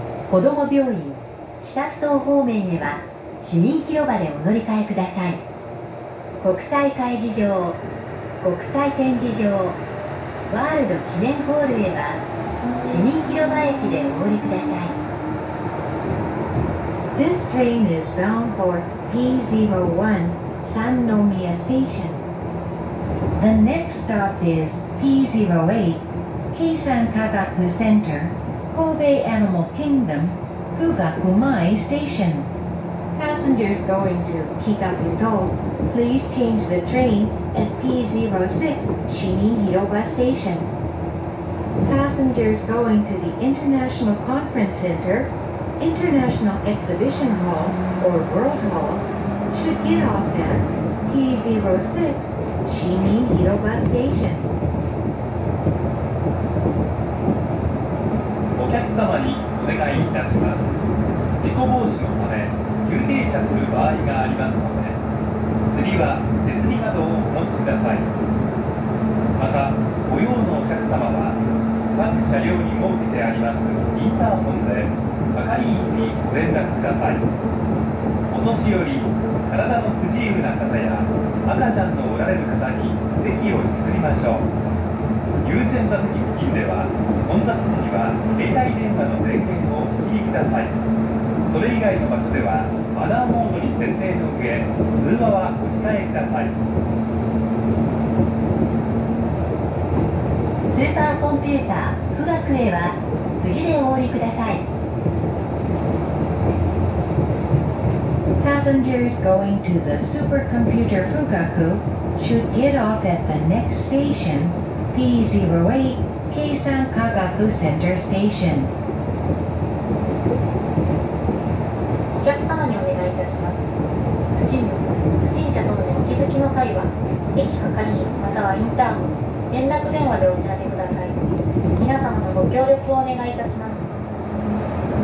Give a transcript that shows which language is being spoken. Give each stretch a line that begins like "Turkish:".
Japanese: 子ども病院北埠頭方面へは市民広場でお乗り換えください。国際会議場、国際展示場、ワールド記念ホールへは市民広場駅でお降りください。
English: This train is bound for P01 Sannomiya Station. The next stop is P08 Keisan Kagaku Center Kobe Animal Kingdom Fugaku Mai Station. Passengers going to Kikabuto, please change the train at P06 Shinin Hiroba StationPassengers going to the International Conference Center, International Exhibition Hall, or World Hall should get off at P06 Shinin Hiroba Station.
Japanese: お客様にお願いいたします。事故防止のため、急停車する場合がありますので、釣りは手すりなどをお持ちください。また、ご用のお客様は、各車両に設けてありますインターホンで係員にご連絡ください。お年寄り、体の不自由な方や赤ちゃんのおられる方に席を譲りましょう。優先座席付近では混雑時には携帯電話の電源をお切りください。それ以外の場所ではマナーモードに設定の上通話はお控えください。スーパーコンピューター富岳へは次でお降りください。
English: Passengers going to the supercomputer Fugaku should get off at the next station P08 Keisan Kagaku Center Station.
Japanese: お客様にお願いいたします。不審物、不審者等のお気づきの際は駅係員またはインターホン、連絡電話でお知らせください。皆様のご協力をお願いいたします。